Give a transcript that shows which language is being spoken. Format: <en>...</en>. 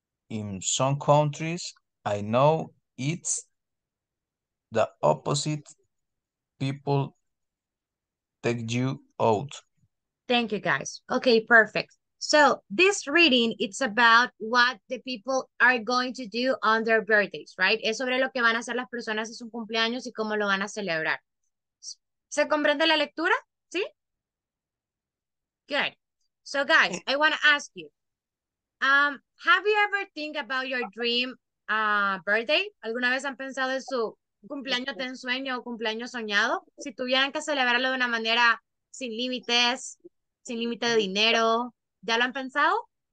<en>In some countries, I know it's the opposite. People take you out. Thank you, guys. Okay, perfect. So this reading, it's about what the people are going to do on their birthdays, right?</en> <es>Es sobre lo que van a hacer las personas en su cumpleaños y cómo lo van a celebrar. ¿Se comprende la lectura? ¿Sí? Good.</es> <en>So guys, I want to ask you, have you ever think about your dream birthday?</en> <es>¿Alguna vez han pensado en su cumpleaños de ensueño o cumpleaños soñado? Si tuvieran que celebrarlo de una manera sin límites, sin límite de dinero, ¿ya lo han pensado?</es>